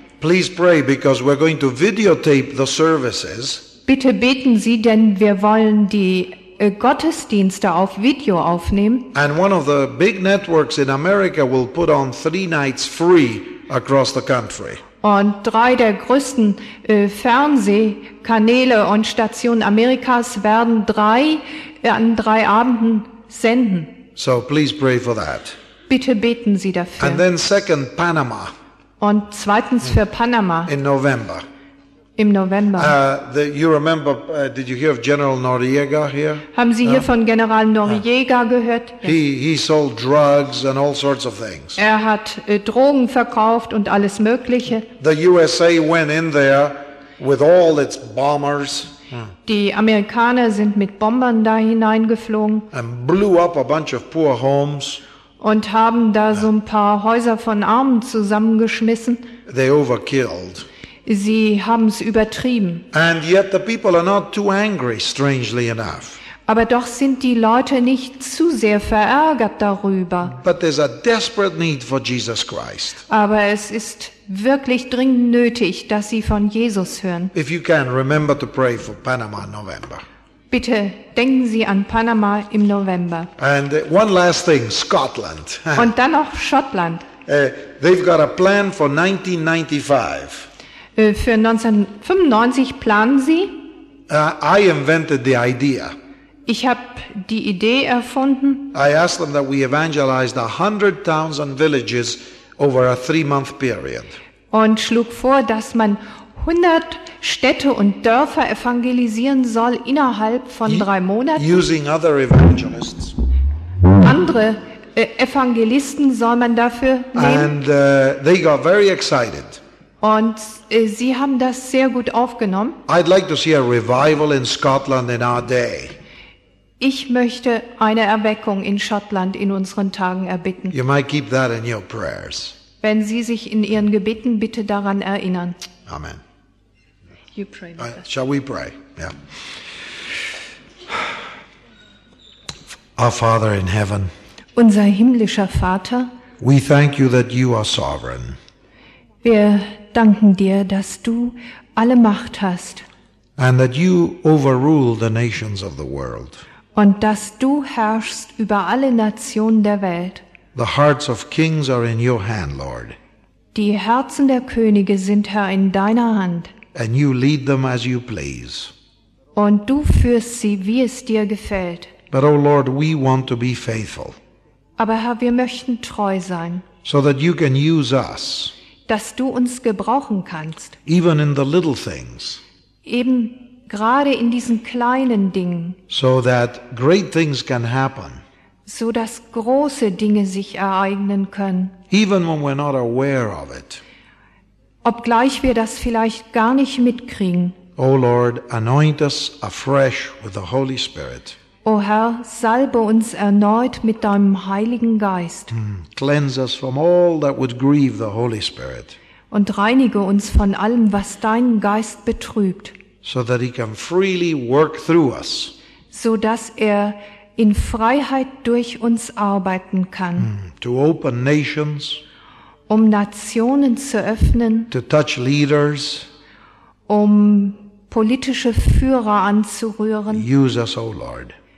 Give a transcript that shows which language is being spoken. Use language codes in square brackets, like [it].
[en] Please pray, because we're going to videotape the services. [de] Bitte beten Sie, denn wir wollen die Gottesdienste auf Video aufnehmen. [en] And one of the big networks in America will put on 3 nights free across the country. [de] Und 3 der größten Fernsehkanäle und Stationen Amerikas werden 3 an 3 Abenden senden. [en] So please pray for that. [de] Bitte beten Sie dafür. [en] And then second, Panama. [de] Und zweitens für Panama. [en] In November. [de] Im November. [en] Did you hear of General Noriega here? [de] Haben Sie hier von General Noriega gehört? [en] Yes. He sold drugs and all sorts of things. [de] Er hat Drogen verkauft und alles Mögliche. [en] The USA went in there with all its bombers. [de] Die Amerikaner sind mit Bombern da hineingeflogen. [en] And blew up a bunch of poor homes. [de] Und haben da so ein paar Häuser von Armen zusammengeschmissen. [en] They overkilled. [de] Sie haben es übertrieben. [en] And yet the people are not too angry, strangely enough. [de] Aber doch sind die Leute nicht zu sehr verärgert darüber. [en] But there's a desperate need for Jesus Christ. [de] Aber es ist wirklich dringend nötig, dass sie von Jesus hören. [en] If you can, remember to pray for Panama in November. [de] Bitte denken Sie an Panama im November. [en] And one last thing, Scotland. [de] Und dann noch Schottland. [en] They've got a plan for 1995. [de] Für 1995 planen Sie? [en] I invented the idea. [de] Ich habe die Idee erfunden. [en] I asked them that we evangelized 100 towns and villages over a 3-month period. [de] Und schlug vor, dass man 100 Städte und Dörfer evangelisieren soll innerhalb von 3 Monaten. [en] Using other evangelists. [de] Andere Evangelisten soll man dafür nehmen. [en] And they got very excited. [de] Und sie haben das sehr gut aufgenommen. [en] I'd like to see a revival in Scotland in our day. [de] Ich möchte eine Erweckung in Schottland in unseren Tagen erbitten. [en] You might keep that in your prayers. [de] Wenn Sie sich in Ihren Gebeten bitte daran erinnern. [en] Amen. You pray with us. Shall we pray? Yeah. Our Father in heaven. [de] Unser himmlischer Vater. [en] We thank you that you are sovereign. [de] Wir danken dir, dass du alle Macht hast. [en] And that you overrule the nations of the world. [de] Und dass du herrschst über alle Nationen der Welt. [en] The hearts of kings are in your hand, Lord. [de] Die Herzen der Könige sind, Herr, in deiner Hand. [en] And you lead them as you please. [de] Und du führst sie, wie es dir gefällt. [en] But, O Lord, we want to be faithful. [de] Aber, Herr, wir möchten treu sein. [en] So that you can use us. [de] Dass du uns gebrauchen kannst. [en] Even in the little things. [de] Eben gerade in diesen kleinen Dingen. [en] So that great things can happen. [de] So dass große Dinge sich ereignen können. [en] Even when we're not aware of it. [de] Obgleich wir das vielleicht gar nicht mitkriegen. [en] O Lord, anoint us afresh with the Holy Spirit. [de] O Herr, salbe uns erneut mit deinem Heiligen Geist. [en] Cleanse us from all that would grieve the Holy Spirit. [de] Und reinige uns von allem, was deinen Geist betrübt. [en] So that he can freely work through us. [de] So dass er in Freiheit durch uns arbeiten kann. [en] To open nations. [de] Um Nationen zu öffnen. [en] To touch leaders. [de] Um politische Führer anzurühren. [en] Use us, O Lord.